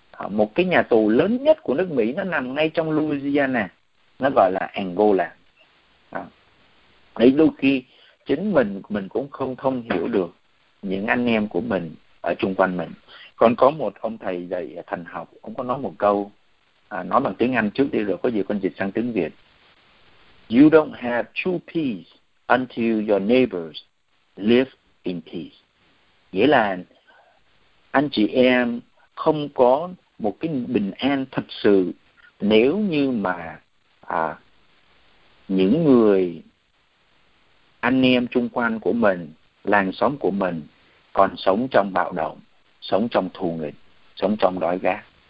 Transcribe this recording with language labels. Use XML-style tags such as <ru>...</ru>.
<vi>Một cái nhà tù lớn nhất của nước Mỹ nó nằm ngay trong Louisiana, nó gọi là Angola. Đấy, đôi khi chính mình cũng không không hiểu được những anh em của mình ở chung quanh mình. Còn có một ông thầy dạy thần học, ông có nói một câu, nói bằng tiếng Anh trước đi rồi có gì con dịch sang tiếng Việt.</vi> <en>You don't have true peace until your neighbors live in peace.</en> <vi>Nghĩa là anh chị em không có một cái bình an thật sự nếu như mà những người anh em chung quanh của mình, làng xóm của mình còn sống trong bạo động, sống trong thù nghịch, sống trong đói khát.</vi>